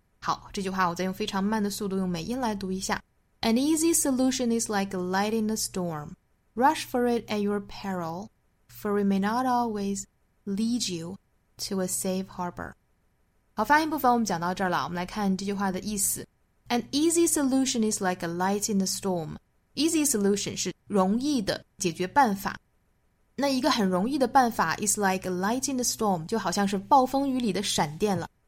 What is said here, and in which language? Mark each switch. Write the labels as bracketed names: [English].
[Chinese] 好，这句话我再用非常慢的速度用美音来读一下。 [English] An easy solution is like a light in a storm. Rush for it at your peril, for it may not always lead you to a safe harbor. [Chinese] 好，发音部分我们讲到这儿了，我们来看这句话的意思。 [English] An easy solution is like a light in a storm. [Chinese] Easy solution 是容易的解决办法，那一个很容易的办法 [English] is like a light in the storm, [Chinese] 就好像是暴风雨里的闪电了。